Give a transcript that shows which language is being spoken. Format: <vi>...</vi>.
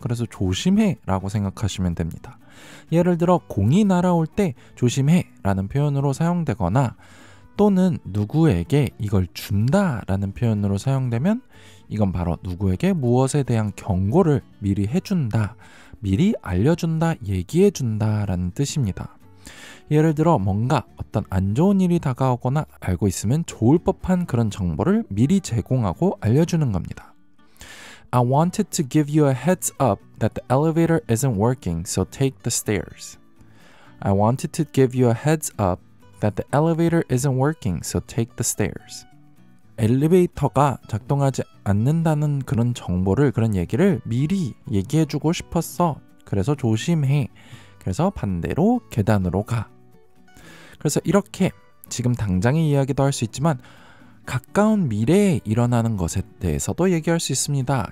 <ko>그래서 조심해 라고 생각하시면 됩니다. 예를 들어 공이 날아올 때 조심해 라는 표현으로 사용되거나 또는 누구에게 이걸 준다 라는 표현으로 사용되면 이건 바로 누구에게 무엇에 대한 경고를 미리 해준다, 미리 알려준다, 얘기해준다 라는 뜻입니다. 예를 들어 뭔가 어떤 안 좋은 일이 다가오거나 알고 있으면 좋을 법한 그런 정보를 미리 제공하고 알려주는 겁니다.</ko> <en>I wanted to give you a heads up that the elevator isn't working, so take the stairs. I wanted to give you a heads up that the elevator isn't working, so take the stairs.</en> <ko>엘리베이터가 작동하지 않는다는 그런 정보를, 그런 얘기를 미리 얘기해주고 싶었어. 그래서 조심해. 그래서 반대로 계단으로 가. 그래서 이렇게 지금 당장의 이야기도 할 수 있지만 가까운 미래에 일어나는 것에 대해서도 얘기할 수 있습니다.</ko>